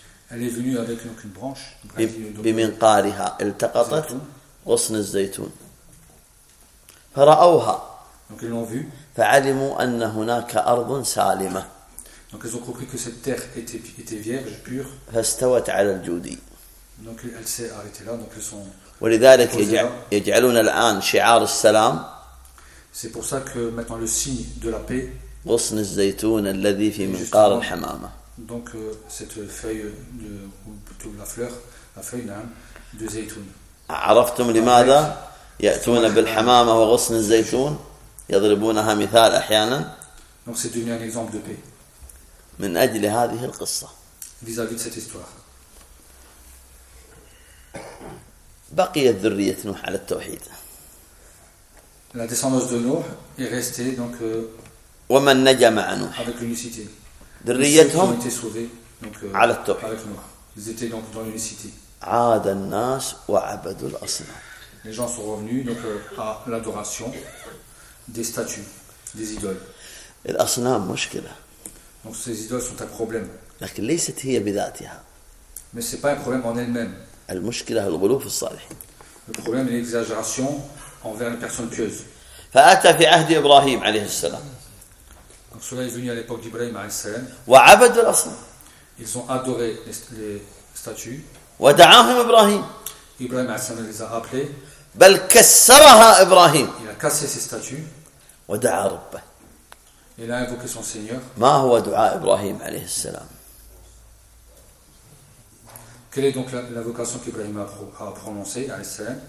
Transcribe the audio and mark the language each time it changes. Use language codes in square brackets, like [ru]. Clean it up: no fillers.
[fr] Elle est venue avec donc une branche. [ar] بمنقارها التقطت غصن الزيتون. فرأوها. [fr] Donc ils l'ont vu. [ar] فعلموا أن هناك أرض سالمة. [fr] Donc ils ont compris que cette terre était vierge, pure. [ar] فاستوت على الجودي. [fr] Donc elle s'est arrêtée là, donc ils sont. [ar] ولذلك يجعلون الآن شعار السلام. [fr] C'est pour ça que maintenant le signe de la paix. [ar] غصن الزيتون الذي في منقار الحمامة. [fr] Donc cette feuille de ou plutôt la feuille d'un de زيتون. [ar] عرفتم لماذا يأتون بالحمامة وغصن الزيتون يضربونها مثال أحيانا. [fr] Donc c'est devenu un exemple de paix. [ar] من أجل هذه القصة. [fr] Vis-à-vis de cette histoire. [ar] بقيت ذرية نوح على التوحيد. [fr] La descendance de Noé est restée donc. [ar] ومن نجا مع نوح. [fr] Avec l'unicité. [ar] ذريتهم. [fr] Ils ont été sauvés donc. [ar] على التوحيد. [fr] Avec Noé. Ils étaient donc dans l'unicité. [ar] عاد الناس وعبدوا الأصنام. [fr] Les gens sont revenus donc à l'adoration des statues, des idoles. [ar] الأصنام مشكلة. [fr] Donc ces idoles sont un problème. [ar] لكن ليست هي بذاتها. [fr] Mais c'est pas un problème en elle-même. [ar] المشكلة الغلو في الصالحين. [fr] Le problème est l'exagération envers les personnes pieuses. [ar] فأتى في عهد إبراهيم عليه السلام. [fr] Donc cela est venu à l'époque d'Ibrahim [ar] عليه السلام. وعبدوا الأصنام. [fr] Ils ont adoré les statues. [ar] ودعاهم إبراهيم. [fr] Ibrahim [ar] عليه السلام [fr] les a appelés. [ar] بل كسرها إبراهيم. [fr] Il a cassé ces statues. [ar] ودعا ربه. [fr] Il a invoqué son Seigneur. [ar] ما هو دعاء إبراهيم عليه السلام؟ [fr] Quelle est donc la vocation qu'Ibrahim a prononcée, alayhi salam?